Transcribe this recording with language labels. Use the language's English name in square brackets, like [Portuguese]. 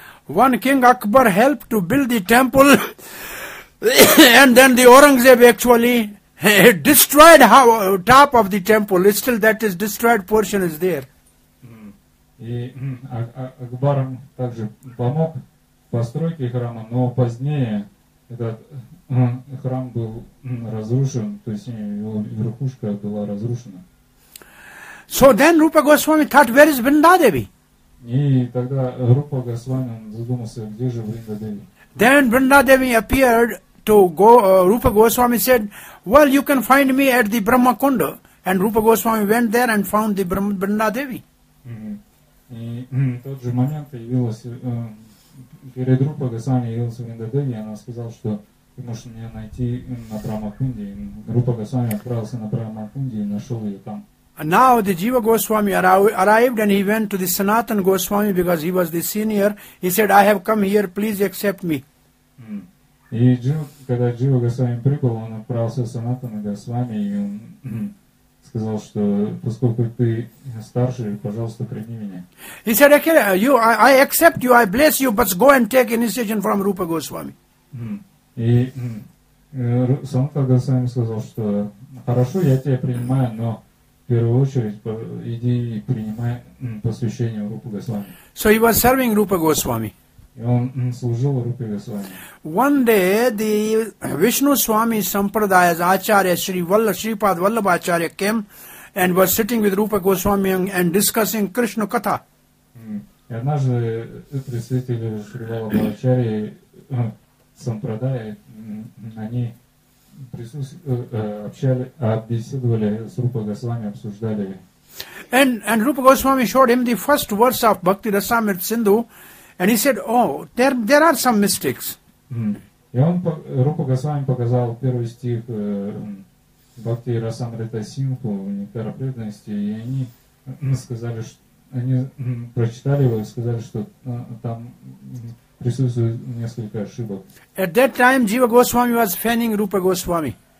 [English] One king Akbar helped to build the temple, and then the Aurangzeb actually destroyed the top of the temple. It's still that is destroyed portion is there. [Russian] И Акбар также помог постройке храма, но позднее этот храм был разрушен, то есть его верхушка была разрушена. [English] So then Rupa Goswami thought, where is Vrindadevi? [Russian] И тогда Рупа Госвами задумался, где же Вриндадеви. [English] Then Vrindadevi appeared to go, Rupa Goswami said, well, you can find me at the Brahmakunda. And Rupa Goswami went there and found the Vrindadevi. [Russian] И в тот же момент явилась, перед Рупа Госвами явилась Вриндадеви, она сказала, что ты можешь меня найти на Брахмакунде. Рупа Госвами отправился на Брахмакунде и нашел ее там. [English] Now the Jiva Goswami arrived and he went to the Sanatana Goswami because he was the senior. He said, I have come here, please accept me. [Russian] И когда Jiva Goswami прибыл, он отправился в Sanatana Goswami и он сказал, что поскольку ты старший, пожалуйста, прими меня. [English] He said, okay, you, I accept you, I bless you, but go and take initiation from Rupa Goswami. [Russian] И Sanatana Goswami сказал, что хорошо, я тебя принимаю, но в первую очередь иди и принимай посвящение Рупа Госвами. [English] So he was serving Rupa Goswami. [Russian] И он служил Рупе Госвами. [English] One day the Vishnu Swami Sampradaya's Acharya Shri Vallabh, Shripad Vallabh Acharya came and was sitting with Rupa Goswami and discussing Krishna Katha. [Russian] И однажды представители Шри Валлабха Ачарьи Сампрадая, они беседовали с Рупа Госвами, обсуждали. [English] And Rupa Goswami showed him the first verse of Bhakti Rasamrita Sindhu, and he said, oh, there are some mistakes. [Russian] И он Рупа Госвами показал первый стих Бхакти Расамрита Синху, Нектар преданности, и они сказали, что они прочитали его и сказали, что там присутствует несколько ошибок. [English] At that time, Jiva Goswami was fanning Rupa Goswami.